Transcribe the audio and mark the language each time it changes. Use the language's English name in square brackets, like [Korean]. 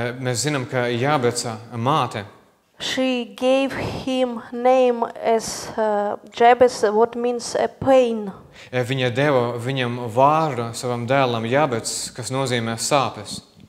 [Latvian] Mēs zinām, ka Jābeca māte. [English] She gave him name as Jabez, what means a pain. [Latvian] Viņa deva viņam vārdu savam dēlam Jābec, kas nozīmē sāpes.